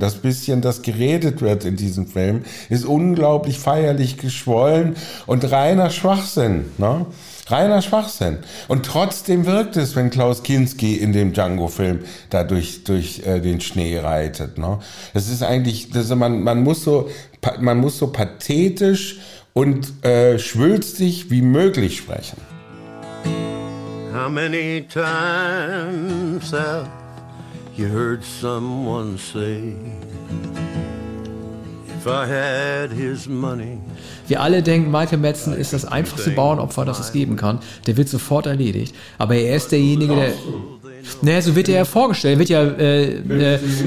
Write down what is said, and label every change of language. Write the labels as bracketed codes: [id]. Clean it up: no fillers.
[de] Das bisschen, das geredet wird in diesem Film, ist unglaublich feierlich geschwollen und reiner Schwachsinn, ne? Reiner Schwachsinn. Und trotzdem wirkt es, wenn Klaus Kinski in dem Django-Film da durch den Schnee reitet. Ne? Das ist eigentlich, man muss so pathetisch und schwülstig wie möglich sprechen. [en] How many times have you heard someone say, if I had his money. [de] Wir alle denken, Michael Madsen ist das einfachste Bauernopfer, das es geben kann. Der wird sofort erledigt. Aber er ist derjenige, der... Naja, so wird er ja vorgestellt. Er wird ja...